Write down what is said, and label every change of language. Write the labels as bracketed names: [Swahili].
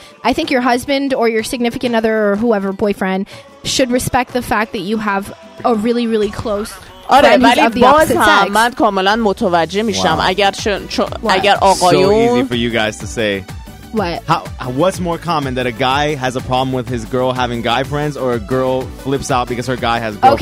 [English] I think your husband or your significant other or whoever, boyfriend, should respect the fact that you have a really, really close friend who's of the opposite sex. [Persian] آره، ولی باز هم من کاملاً متوجه میشم. [English] So easy for you guys to say. What's more common, that a guy has a problem with his girl having guy friends, or a girl flips out because her guy has girlfriends?